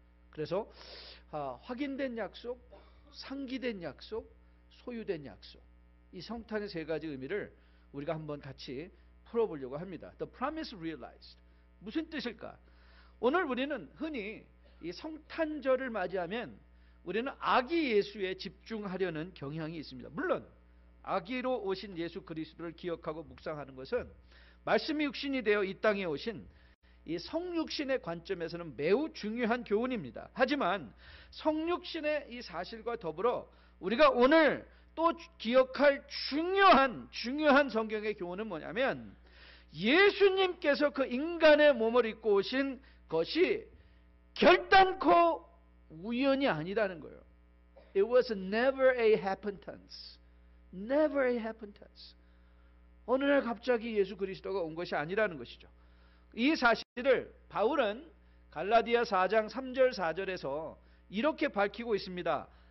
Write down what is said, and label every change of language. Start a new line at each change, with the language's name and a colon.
Korean: 그래서 확인된 약속, 상기된 약속, 소유된 약속, 이 성탄의 세 가지 의미를 우리가 한번 같이 풀어보려고 합니다.
English: The Promise Realized,
Korean: 무슨 뜻일까? 오늘 우리는 흔히 이 성탄절을 맞이하면 우리는 아기 예수에 집중하려는 경향이 있습니다. 물론 아기로 오신 예수 그리스도를 기억하고 묵상하는 것은 말씀이 육신이 되어 이 땅에 오신 이 성육신의 관점에서는 매우 중요한 교훈입니다. 하지만 성육신의 이 사실과 더불어 우리가 오늘 또 기억할 중요한 성경의 교훈은 뭐냐면 예수님께서 그 인간의 몸을 입고 오신 것이 결단코 우연이 아니라는 거예요.
English: It was never a happenstance. Never a happenstance.
Korean: 어느 날 갑자기 예수 그리스도가 온 것이 아니라는 것이죠. 이 사실을 바울은 갈라디아 4장 3절 4절에서 이렇게 밝히고 있습니다.